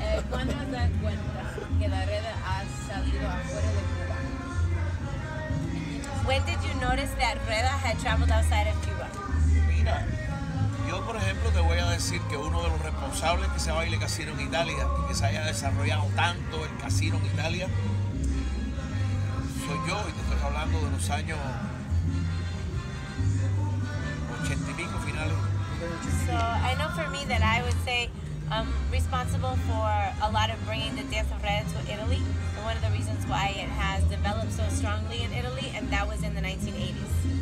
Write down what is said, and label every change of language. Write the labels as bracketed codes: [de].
[es] ¿Cuándo has dado cuenta que la red ha salido afuera de Cuba? [en] When did you notice that Reda had traveled outside of Cuba? [es] Mira, yo por ejemplo te voy a decir que uno de los responsables que se baile casino en Italia y que se haya desarrollado tanto el casino en Italia soy yo, y te estoy hablando de los años 80 y pico finales. [en] So I know for me that I would say I'm responsible for a lot of bringing the dance of Reda to Italy. One of the reasons why it has developed so strongly in Italy, and that was in the 1980s.